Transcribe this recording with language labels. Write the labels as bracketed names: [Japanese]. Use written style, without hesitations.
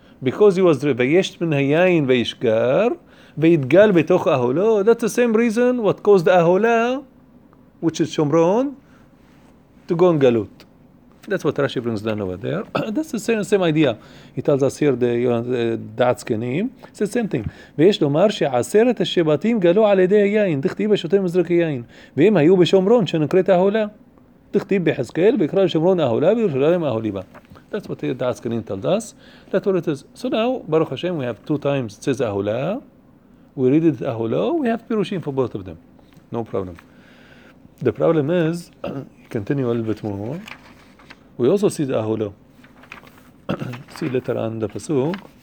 [English] Because he was [Hebrew] Vayesht min hayayin vayishkar, vayitgal betoch Ahula. [English] That's the same reason what caused Ahula, which is Shomron, to go in Galut. That's what Rashi brings down over there. That's the same idea. He tells us here the Da'at Zkenim. It's the same thing. [Hebrew] ויש לומר שעשרת השבטים גלו על ידי היין, דכתיב השוטה מזרק היין. והם היו בשומרון שנקראת אהולה. דכתיב בחזקאל ויקרא לשומרון אהולה וירושלים אהוליבה. [English] That's what Da'at Zkenim tells us. That's what it is. So now, Baruch Hashem, we have two times it says אהולה. We read it אהולה. We have פירושים for both of them. No problem. The problem is, continue a little bit more. We also see the Ahulo. See later on the Pasuk.